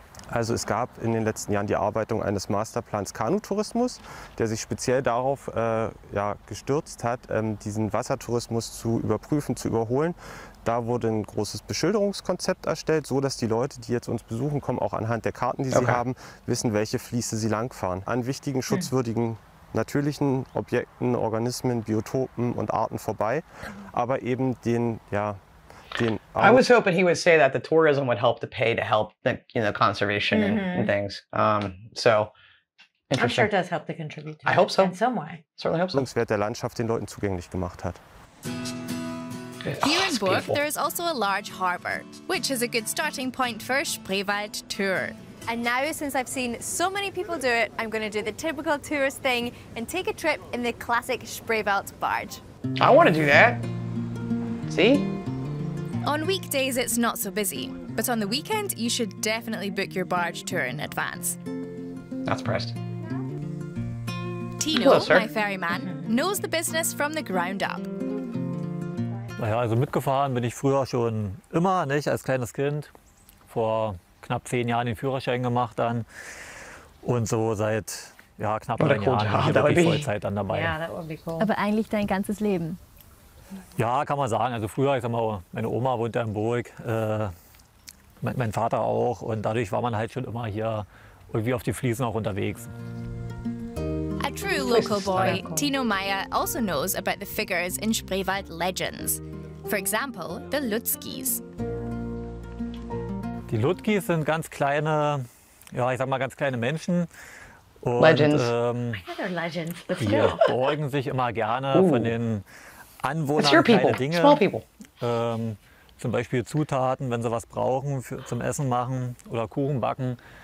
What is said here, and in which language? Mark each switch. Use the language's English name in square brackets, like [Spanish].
[German] Also es gab in den letzten Jahren die Erarbeitung eines Masterplans Kanutourismus, der sich speziell darauf gestürzt hat, diesen Wassertourismus zu überprüfen, zu überholen. Da wurde ein großes Beschilderungskonzept erstellt, so dass die Leute, die jetzt uns besuchen kommen, auch anhand der Karten, die sie haben, wissen, welche Fließe sie langfahren. An wichtigen, schutzwürdigen natürlichen Objekten, Organismen, Biotopen und Arten vorbei, aber eben [English] I was hoping he would say that the tourism would help to pay to help the, you know, conservation and things. So I'm sure it does help to contribute. I hope so. In some way. Certainly hope so. [German] Nutzwert der Landschaft den Leuten zugänglich gemacht hat. [English] Here in Burg, there is also a large harbor, which is a good starting point for a Spreewald tour. And now, since I've seen so many people do it, I'm going to do the typical tourist thing and take a trip in the classic Spreewald barge. I want to do that. See? On weekdays, it's not so busy, but on the weekend, you should definitely book your barge tour in advance. Not surprised. Tino, hello, sir. My ferryman, knows the business from the ground up. [German] Na ja, also mitgefahren bin ich früher schon immer, nicht? Als kleines Kind. Vor knapp 10 Jahren den Führerschein gemacht dann. Und so seit knapp 3 Jahren bin ich Vollzeit dann dabei. [English] Yeah, that would be cool. [German] Aber eigentlich dein ganzes Leben. Ja, kann man sagen. Also früher, ich sag mal, meine Oma wohnte in Burg, mein Vater auch. Und dadurch war man halt schon immer hier irgendwie auf die Fliesen auch unterwegs. [English] A true local boy, Tino Meyer also knows about the figures in Spreewald legends. For example, the Lutzkis. [German] Die Lutzkis sind ganz kleine, ich sag mal, ganz kleine Menschen. [English] Und, legends. Legends. [German] Die beugen sich immer gerne von den Anwohnern [English] It's your people. [German] Kleine Dinge. [English] Small people. [German] Zum Beispiel Zutaten, wenn sie was brauchen, zum Essen machen oder Kuchen backen.